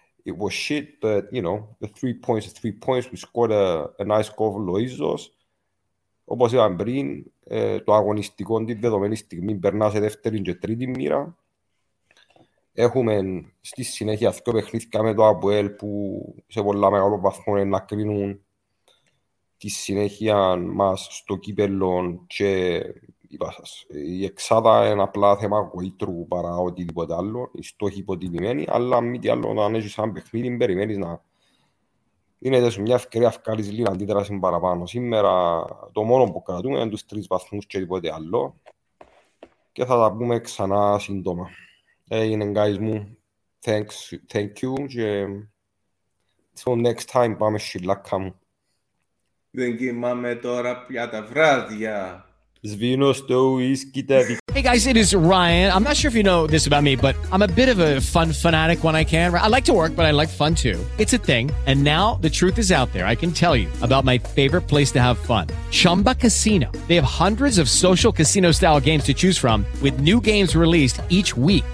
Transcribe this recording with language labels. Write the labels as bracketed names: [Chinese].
[English] It was shit, but, you know, the 3 points, we scored a nice goal for Loizos. [Greek] Όπως είπαμε πριν, το αγωνιστικό τη δεδομένη στιγμή περνά σε δεύτερη και τρίτη μοίρα. Έχουμε στη συνέχεια δύο παιχνίδια με το ΑΠΟΕΛ που σε πολλά μεγάλο βαθμό είναι να κρίνουν τη συνέχεια μας στο κύπελλο και είπα σας, η εξάδα είναι απλά θέμα γοήτρου παρά οτιδήποτε άλλο, η στόχη υποτιμημένη, αλλά μη τι άλλο, όταν έχεις ένα παιχνίδι, περιμένεις να δίνεται σου μια ευκαιρία, ευκάλεις λίγο αντίδραση παραπάνω. Σήμερα το μόνο που κρατούμε είναι τους τρεις βαθμούς και τίποτε άλλο και θα τα πούμε ξανά σύντομα. Έγινε, guys μου. [English] Thanks, thank you. Till next time, [Greek] πάμε σιλάκα μου. Δεν κοιμάμαι τώρα πια τα βράδια. [English] Hey guys, it is Ryan. I'm not sure if you know this about me, but I'm a bit of a fun fanatic when I can. I like to work, but I like fun too. It's a thing. And now the truth is out there. I can tell you about my favorite place to have fun. Chumba Casino. They have hundreds of social casino style games to choose from with new games released each week.